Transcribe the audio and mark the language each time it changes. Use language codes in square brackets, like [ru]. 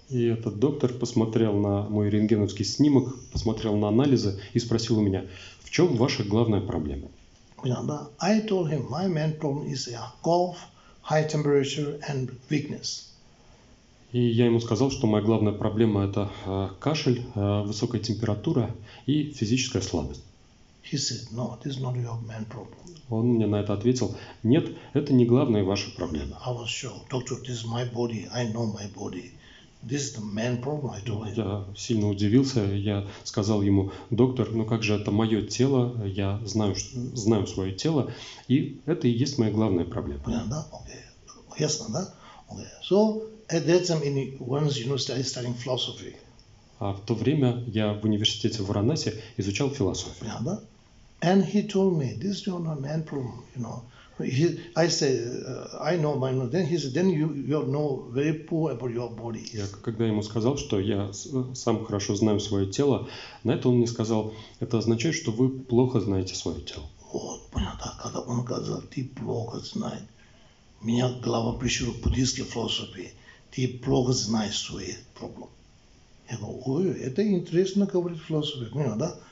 [ru] И этот доктор посмотрел на мой рентгеновский снимок, посмотрел на анализы и спросил у меня, в чем ваша главная проблема? [en] I told him my main problem is a cough, high temperature and weakness. [ru] И я ему сказал, что моя главная проблема это кашель, высокая температура и физическая слабость. [en] He said, no, this is not your main problem. [ru] Он мне на это ответил: нет, это не главная ваша проблема. [en] I was sure, doctor, this is my body, I know my body. This is the main problem, I told him. [ru] Я сильно удивился. Я сказал ему: доктор, ну как же это мое тело? Я знаю, что, знаю свое тело, и это и есть моя главная проблема. Понятно, да? Окей. Ясно, да? [en] Окей. So, at that time, once you know, I studying philosophy. [ru] А в то время я в университете в Варанаси изучал философию. Понятно, да? [en] And he told me, this is not main problem, you know. He, I say, I know my body. Then he said, then you know very poor about your body. [ru] Я когда ему сказал, что я сам хорошо знаю свое тело, на это он мне сказал, это означает, что вы плохо знаете свое тело. Вот, понятно. Когда он сказал, ты плохо знаешь, меня голова пришла к буддийской философии, ты плохо знаешь свои проблемы. Я говорю, ой, это интересно говорить философия, понятно, да?